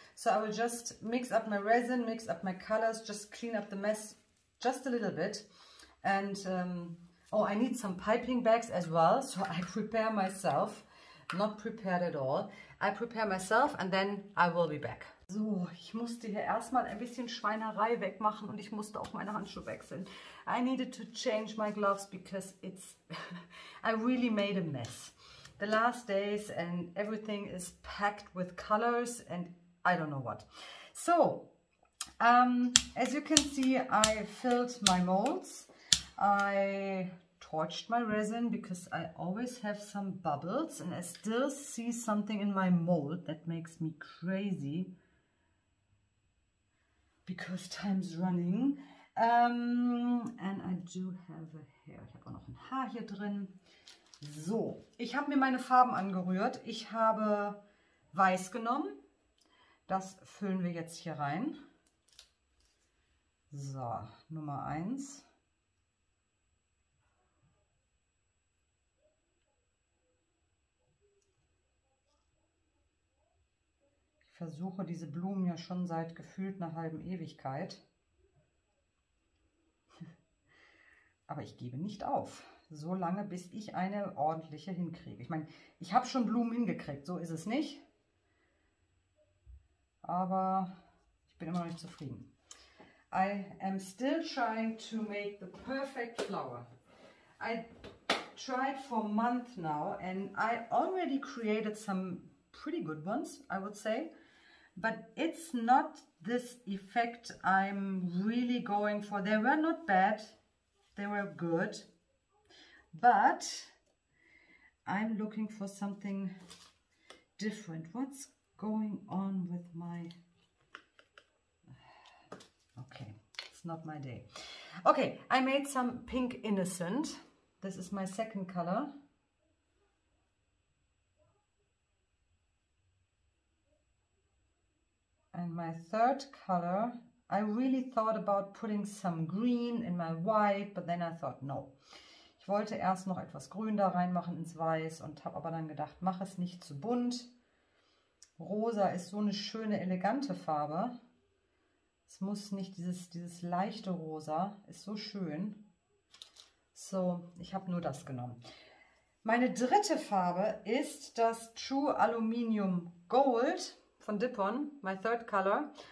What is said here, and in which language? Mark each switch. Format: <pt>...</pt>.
<en>So I will just mix up my resin, mix up my colors, just clean up the mess just a little bit. And oh, I need some piping bags as well, so I prepare myself. Not prepared at all. I prepare myself and then I will be back.</en> <de>So, ich musste hier erstmal ein bisschen Schweinerei wegmachen und ich musste auch meine Handschuhe wechseln.</de> <en>I needed to change my gloves because it's... I really made a mess. The last days and everything is packed with colors and I don't know what. So, As you can see, I filled my molds. I torched my resin because I always have some bubbles and I still see something in my mold that makes me crazy because time's running. And I do have a hair.</en> <de>Ich habe auch noch ein Haar hier drin. So, ich habe mir meine Farben angerührt. Ich habe Weiß genommen. Das füllen wir jetzt hier rein. So, Nummer 1. Ich versuche diese Blumen ja schon seit gefühlt einer halben Ewigkeit. Aber ich gebe nicht auf, so lange, bis ich eine ordentliche hinkriege. Ich meine, ich habe schon Blumen hingekriegt, so ist es nicht. Aber ich bin immer noch nicht zufrieden.</de> <en>I am still trying to make the perfect flower. I tried for a month now and I already created some pretty good ones, I would say. But it's not this effect I'm really going for. They were not bad. They were good, but I'm looking for something different. What's going on with my... Okay, it's not my day. Okay, I made some pink innocent. This is my second color. And my third color... I really thought about putting some green in my white, but then I thought, no.</en> <de>Ich wollte erst noch etwas Grün da reinmachen ins Weiß und habe aber dann gedacht, mach es nicht zu bunt. Rosa ist so eine schöne, elegante Farbe. Es muss nicht, dieses leichte Rosa ist so schön. So, ich habe nur das genommen. Meine dritte Farbe ist das True Aluminium Gold von Dipon,</de> <en>my third color.</en>